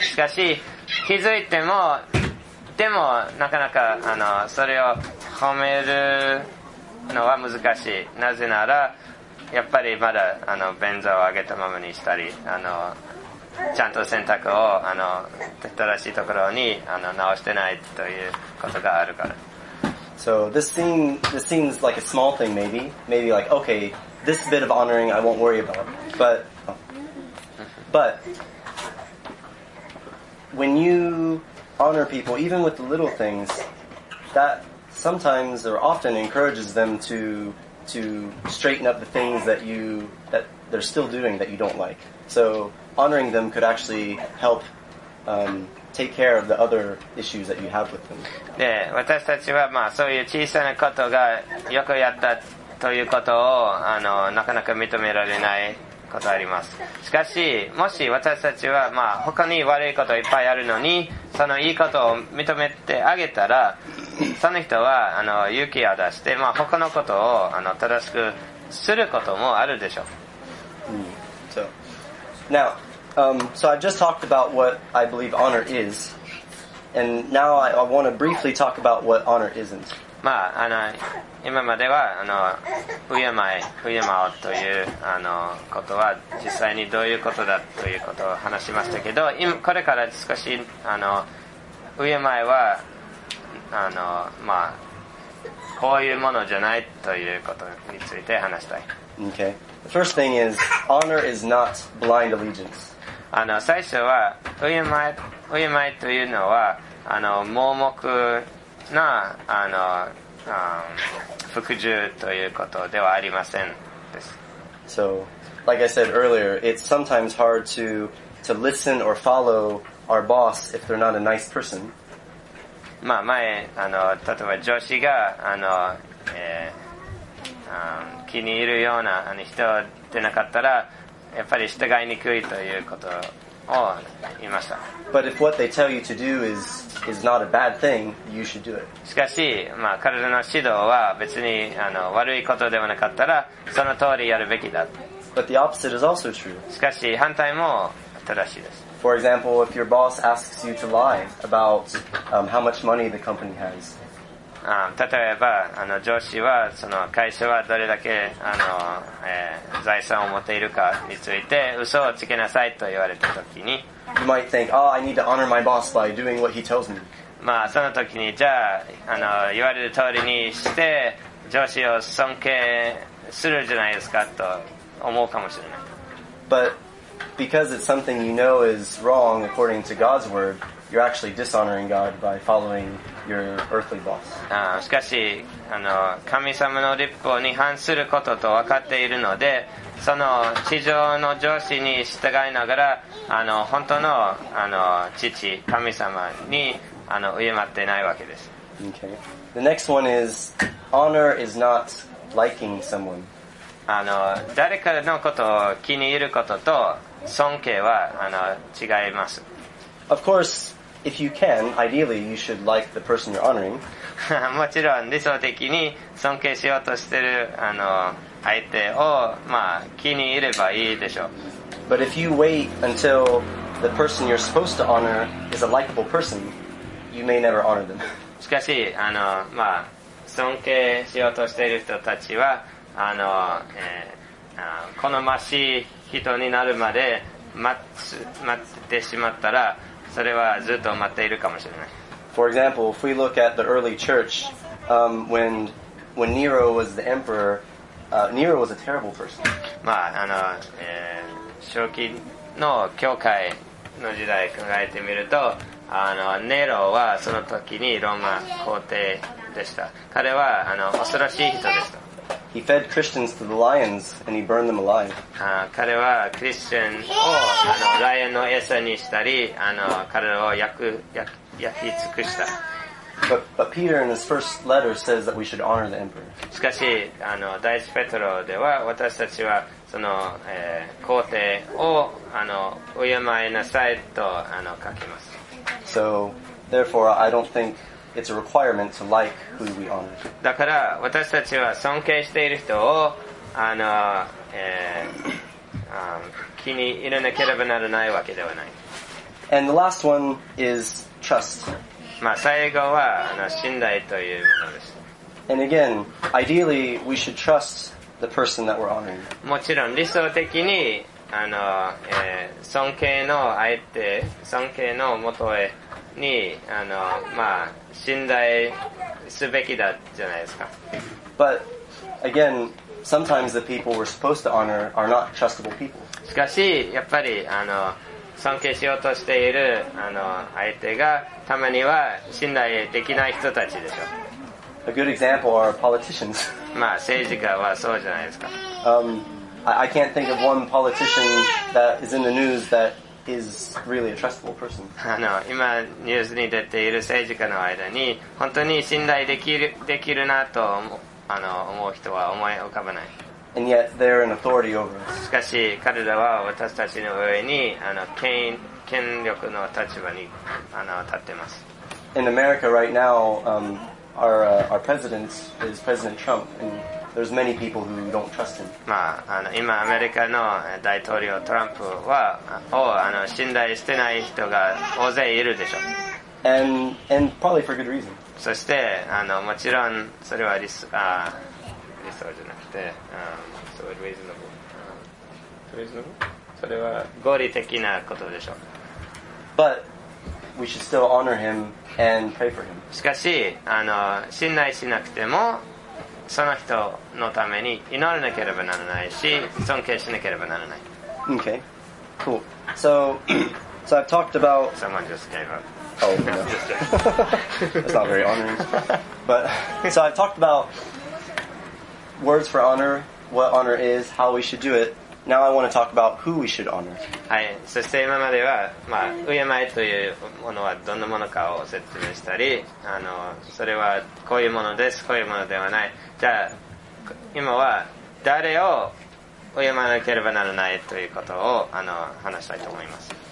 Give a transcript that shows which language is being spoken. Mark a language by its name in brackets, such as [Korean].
[Japanese] しかし気づいてもでもなかなかあのそれを褒めるのは難しい。なぜならやっぱりまだあの便座を上げたままにしたり、あのちゃんと洗濯をあの正しいところにあの直してないということがあるから。 [English] So this seems like a small thing maybe like okay this bit of honoring I won't worry about but when youHonor people, even with the little things, that sometimes or often encourages them to to straighten up the things that you that they're still doing that you don't like. So honoring them could actually help take care of the other issues that you have with them. [Japanese] Yeah, 私たちはまあそういう小さなことがよくやったということをあのなかなか認められないことあります。しかしもし私たちはまあ他に悪いこといっぱいあるのにそのいいことを認めてあげたら、その人はあの勇気を出してまあ他のことをあの正しくすることもあるでしょう。 [English] So now, so I just talked about what I believe honor is, and now I want to briefly talk about what honor isn't. [Japanese] まああの今まではあの敬いというあのことは実際にどういうことだということを話しましたけど、これから少しあの敬いはあのまあこういうものじゃないということについて話したい。 [English] Okay. The first thing is honor is not blind allegiance. [Japanese] あの最初は敬いというのはあの盲目なあの服従ということではありませんです。 [English] So, like I said earlier, it's sometimes hard to listen or follow our boss if they're not a nice person. [Japanese] まあ前あの例えば上司があの、気に入るようなあの人でなかったらやっぱり従いにくいということを言いました。 [English] But if what they tell you to do is not a bad thing, you should do it. [Japanese] しかし、まあ、彼らの指導は別にあの悪いことではなかったらその通りやるべきだ。 [English] But the opposite is also true. [Japanese] しかし、反対も正しいです。 [English] For example, if your boss asks you to lie about how much money the company has. [Japanese] 例えば、あの上司はその会社はどれだけあの、財産を持っているかについて嘘をつけなさいと言われたときに、 [English] You might think, oh, I need to honor my boss by doing what he tells me. [Japanese] まあ、その時に、じゃあ、あの、言われる通りにして、上司を尊敬するじゃないですかと思うかもしれない。 [English] But because it's something you know is wrong according to God's word, you're actually dishonoring God by following your earthly boss. [Japanese] しかし、あの、神様の律法に反することと分かっているので、その地上の上司に従いながらあの本当 の, あの父神様にあの敬っていないわけです、 [English] okay. The next one is honor is not liking someone. [Japanese] あの誰かのことを気に入ることと尊敬はあの違います。 [English] Of course, if you can, ideally you should like the person you're honoring. [Japanese] もちろん理想的に尊敬しようとしているあの相手を、まあ、気に入ればいいでしょう。 [English] But if you wait until the person you're supposed to honor is a likable person, you may never honor them. [Japanese] しかし、あの、まあ、尊敬しようとしている人たちは、あの、好ましい人になるまで待ってしまったら、それはずっと待っているかもしれない。 [English] For example, if we look at the early church, when Nero was the emperor,Nero was a terrible person. [Japanese] まあ、あの、初期の教会の時代考えてみると、あの、ネロはその時にローマ皇帝でした。彼は、あの、恐ろしい人でした。 [English] He fed Christians to the lions and he burned them alive. [Japanese] 彼はクリスチャンを、あの、ライオンの餌にしたり、あの、彼らを焼き尽くした。 [English] But Peter in his first letter says that we should honor the emperor. [Japanese] しかし、あの、第一ペテロでは、私たちは、その、皇帝を、あの、敬いなさいと、あの、書きます。 [English] So, therefore, I don't think it's a requirement to like who we honor. [Japanese] だから、私たちは尊敬している人を、あの、気に入らなければならないわけではない。 [English] And the last one is trust. [Japanese] まあ、最後はあの信頼というものです。 [English] And again, ideally, we should trust the person that we're honoring. [Japanese] もちろん理想的にあの、尊敬の相手、尊敬の元へにあの、まあ、信頼すべきだじゃないですか。 [English] But again, sometimes the people we're supposed to honor are not trustable people. [Japanese] しかしやっぱりあの尊敬しようとしているあの相手がたまには信頼できない人たちでしょう。 [English] A good example are politicians. [Japanese] まあ政治家はそうじゃないですか。 [English] I can't think of one politician that is in the news that is really a trustable person. [Japanese] あの、今ニュースに出ている政治家の間に本当に信頼できるなと思う人は思い浮かばない。 [English] And yet they're an authority over us. [Japanese] しかし彼らは私たちの上に権力の立場に立っています。 [English] In America right now, our president is President Trump, and there's many people who don't trust him. [Japanese] まあ、今アメリカの大統領トランプは、を信頼してない人が大勢いるでしょう。 [English] And probably for good reason. [Japanese] そして、もちろんそれはリストじゃなくて、 [English] so reasonable. Reasonable? [Japanese] それは合理的なことでしょう。 [English] But we should still honor him. And pray for him. [Japanese] しかし信頼しなくてもその人のために祈らなければならないし尊敬しなければならない。 [English] Okay, cool. So I've talked about Someone just gave up. Oh, no. That's not very honoring. But, so I've talked about words for honor, what honor is, how we should do it. Now I want to talk about who we should honor. [Japanese] はい、そして今までは、まあ、敬いというものはどんなものかを説明したり、それはこういうものです、こういうものではない。じゃあ、今は誰を敬わなければならないということを話したいと思います。